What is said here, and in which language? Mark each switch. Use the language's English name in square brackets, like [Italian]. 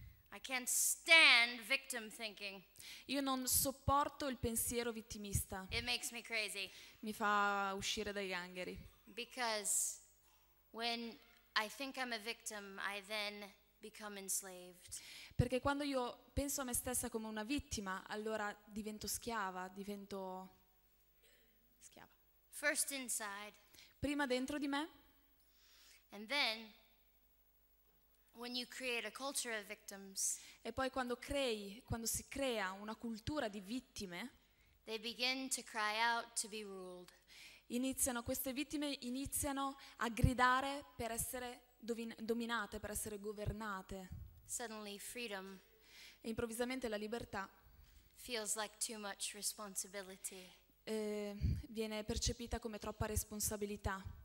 [English] I can't stand victim thinking. [Italian] Io non sopporto il pensiero vittimista. [English] It makes me crazy. [Italian] Mi fa uscire dai gangheri. [English] Because when I think I'm a victim, I then become enslaved. [Italian] Perché quando io penso a me stessa come una vittima, allora divento schiava, divento schiava. [English] First inside. [Italian] Prima dentro di me. [English] And then when you create a culture of victims, [Italian] e poi quando si crea una cultura di vittime, [English] they begin to cry out to be ruled. [Italian] Iniziano queste vittime iniziano a gridare per essere dominate, per essere governate. [English] Suddenly freedom. [Italian] E improvvisamente la libertà [English] feels like too much responsibility. [Italian] Viene percepita come troppa responsabilità.